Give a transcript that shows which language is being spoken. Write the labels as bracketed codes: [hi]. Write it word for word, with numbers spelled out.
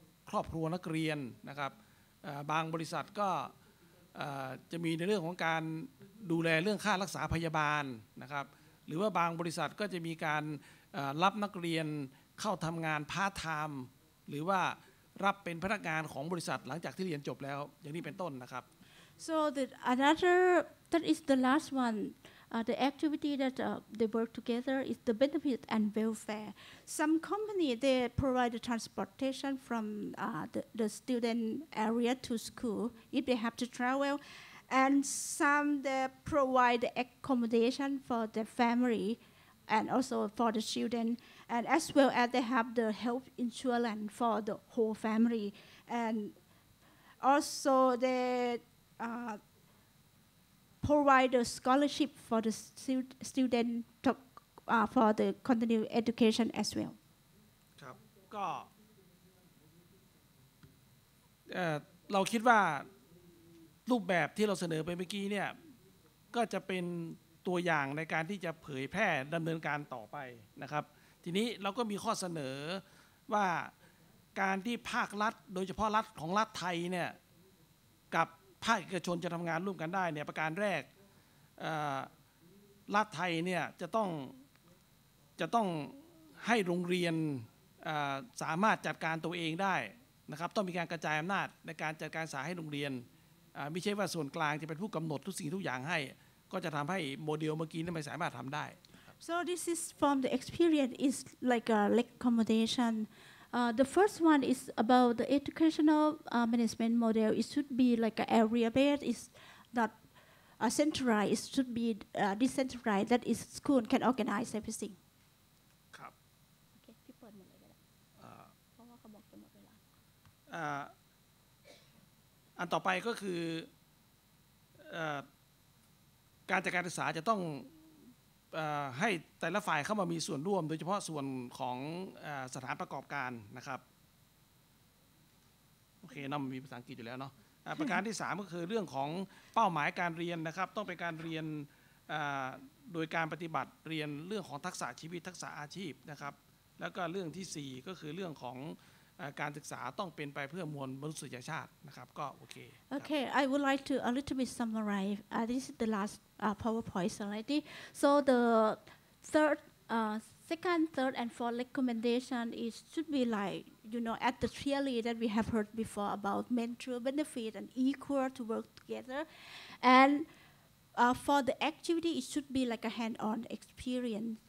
[th] ครอบครัวนักเรียนนะครับเอ่อบางบริษัทก็เอ่อจะมีในเรื่องของการดูแลเรื่องค่ารักษาพยาบาลนะครับหรือว่าบางบริษัทก็จะมีการเอ่อรับนักเรียนเข้าทำงานพาร์ทไทม์หรือว่ารับเป็นพนักงานของบริษัทหลังจากที่เรียนจบแล้วอย่างนี้เป็นต้นนะครับ [en] So the another, that is the last one, uh, the activity that uh, they work together is the benefit and welfare. Some company, they provide the transportation from uh, the, the student area to school if they have to travel. And some, they provide accommodation for the family and also for the children. And as well as they have the health insurance for the whole family. And also they uh, provide a scholarship for the stu- student to, uh, for the continued education as well. [th] ครับก็เอ่อเราคิดว่ารูปแบบที่เราเสนอไปเมื่อกี้เนี่ยก็จะเป็นตัวอย่างในการที่จะเผยแพร่ดำเนินการต่อไปนะครับทีนี้เราก็มีข้อเสนอว่าการที่ภาครัฐโดยเฉพาะรัฐของรัฐไทยเนี่ยกับภาคเอกชนจะทำงานร่วมกันได้เนี่ยประการแรกเอ่อรัฐไทยเนี่ยจะต้อง จะต้องให้โรงเรียนเอ่อสามารถจัดการตัวเองได้นะครับต้องมีการกระจายอำนาจในการจัดการศึกษาให้โรงเรียนอ่าไม่ใช่ว่าส่วนกลางจะเป็นผู้กำหนดทุกสิ่งทุกอย่างให้ก็จะทำให้โมเดลเมื่อกี้นั้นไม่สามารถทำได้ [en] So this is from the experience is like a recommendation. Uh, the first one is about the educational uh, management model. It should be like a area based. It's not uh, centralized. It should be uh, decentralized. That is, school can organize everything. [th] ครับ โอเคพี่เปิดหมดเลยก็ได้ อ่า เพราะว่าเขาบอกจะหมดเวลา อ่าอันต่อไปก็คือเอ่อการจัดการศึกษาจะต้องเอ่อให้แต่ละฝ่ายเข้ามามีส่วนร่วมโดยเฉพาะส่วนของเอ่อสถานประกอบการนะครับ โอเคเนาะมันมีภาษาอังกฤษอยู่แล้วเนาะอ่าประการที่สามก็คือเรื่องของเป้าหมายการเรียนนะครับ ต้องเป็นการเรียนอ่าโดยการปฏิบัติเรียนเรื่องของทักษะชีวิตทักษะอาชีพนะครับ แล้วก็เรื่องที่สี่ก็คือเรื่องของเอ่อการศึกษาต้องเป็นไปเพื่อมวลมนุษยชาตินะครับก็โอเคครับ [en] Okay, I would like to a little bit summarize. Uh, this is the last uh, PowerPoint slide. So the third, uh, second, third, and fourth recommendation is should be like you know at the theory that we have heard before about mentor benefit and equal to work together, and uh, for the activity, it should be like a hands-on experience.